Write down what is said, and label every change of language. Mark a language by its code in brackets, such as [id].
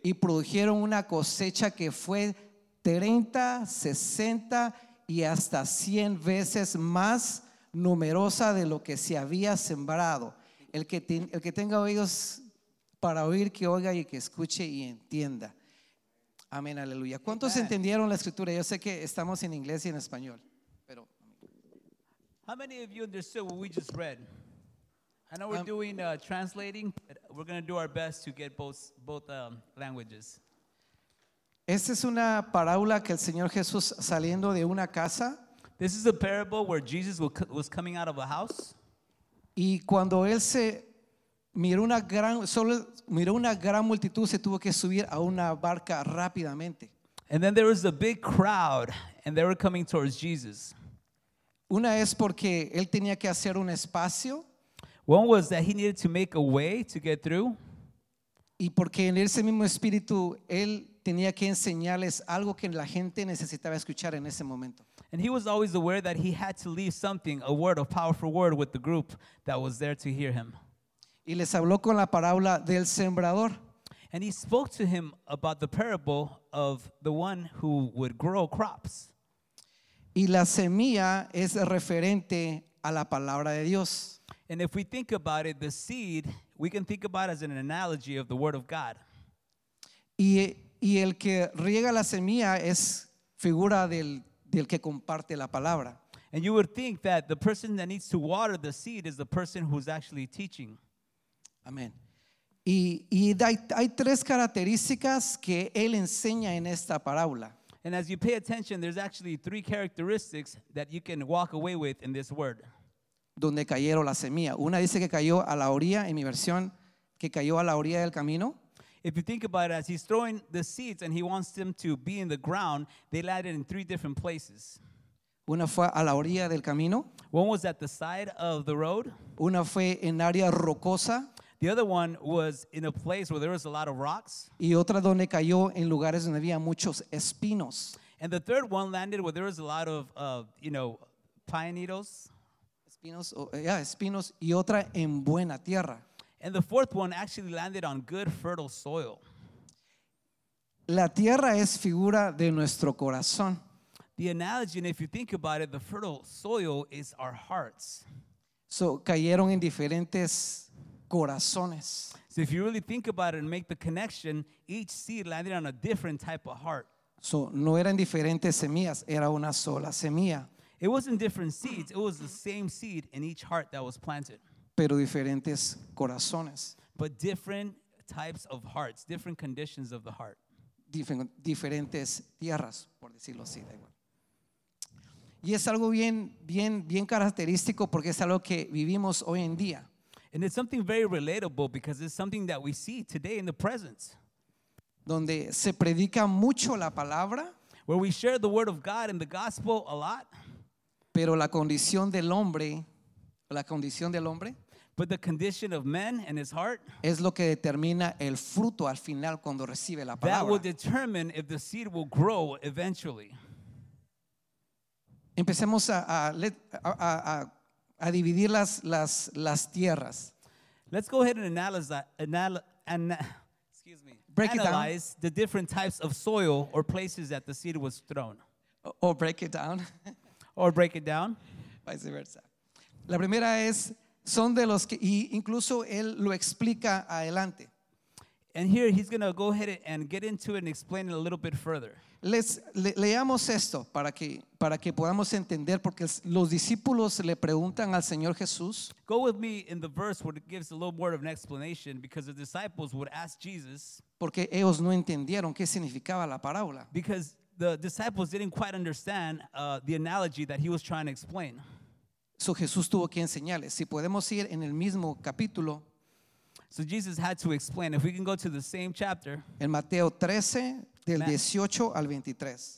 [es] Y produjeron una cosecha que fue 30, 60 y hasta 100 veces más numerosa de lo que se había sembrado. El que tenga oídos para oír, que oiga y que escuche y entienda. Amén, aleluya. ¿Cuántos Amen. Entendieron la escritura? Yo sé que estamos en inglés y en español, pero [en] how many of you understood what we just read? I know we're doing translating, but we're going to do our best to get both languages. [es] Esta es una parábola que el Señor Jesús saliendo de una casa. [en] This is a parable where Jesus was coming out of a house. [es] Y cuando él se miró una gran, solo miró una gran multitud, se tuvo que subir a una barca rápidamente. [en] And then there was a big crowd and they were coming towards Jesus. [es] Una es porque él tenía que hacer un espacio. [en] One was that he needed to make a way to get through. [es] Y porque en ese mismo espíritu él tenía que enseñarles algo que la gente necesitaba escuchar en ese momento. [en] And he was always aware that he had to leave something, a word, a powerful word with the group that was there to hear him. [es] Y les habló con la parábola del sembrador. [en] And he spoke to him about the parable of the one who would grow crops. [es] Y la semilla es referente a la palabra de Dios. [en] And if we think about it, the seed, we can think about it as an analogy of the word of God. [es] Y el que riega la semilla es figura del que comparte la palabra. [en] And you would think that the person that needs to water the seed is the person who's actually teaching. [es] Amén. Y hay tres características que él enseña en esta parábola. [en] And as you pay attention, there's actually three characteristics that you can walk away with in this word. [es] Donde cayeron la semilla. Una dice que cayó a la orilla, en mi versión, que cayó a la orilla del camino. [en] If you think about it, as he's throwing the seeds and he wants them to be in the ground, they landed in three different places. [es] Una fue a la orilla del camino. [en] One was at the side of the road. [es] Una fue en área rocosa. [en] The other one was in a place where there was a lot of rocks. [es] Y otra donde cayó en lugares donde había muchos espinos. [en] And the third one landed where there was a lot of, pine needles. [es] Espinos, espinos. Y otra en buena tierra. [en] And the fourth one actually landed on good, fertile soil. [es] La tierra es figura de nuestro corazón. [en] The analogy, and if you think about it, the fertile soil is our hearts. [es] So, cayeron en diferentes corazones. [en] So, if you really think about it and make the connection, each seed landed on a different type of heart. [es] So, no eran diferentes semillas, era una sola semilla. [en] It wasn't different seeds, it was the same seed in each heart that was planted. [es] Pero diferentes corazones. [en] But different types of hearts, different conditions of the heart. [es] Diferentes tierras, por decirlo así. Y es algo bien, bien, bien característico porque es algo que vivimos hoy en día. [en] And it's something very relatable because it's something that we see today in the present. [es] Donde se predica mucho la palabra. [en] Where we share the word of God and the gospel a lot. [es] Pero la condición del hombre, la condición del hombre, [en] but the condition of man and his heart, [es] es lo que determina el fruto al final cuando recibe la palabra. [en] That will determine if the seed will grow eventually. [es] Empecemos a dividir las tierras. [en] Let's go ahead and analyze the different types of soil or places that the seed was thrown. Or break it down. Or break it down. Vice versa. [es] La primera es, son de los que, y incluso él lo explica adelante. [en] And here he's going to go ahead and get into it and explain it a little bit further. [es] Leamos esto para que podamos entender, porque los discípulos le preguntan al Señor Jesús. [en] Go with me in the verse where it gives a little more of an explanation, because the disciples would ask Jesus. [es] Porque ellos no entendieron qué significaba la parábola. [en] Because the disciples didn't quite understand the analogy that he was trying to explain. [es] So Jesús tuvo que enseñarles. Si podemos ir en el mismo capítulo. [en] So Jesus had to explain. If we can go to the same chapter. [es] En Mateo 13, del 18 al 23.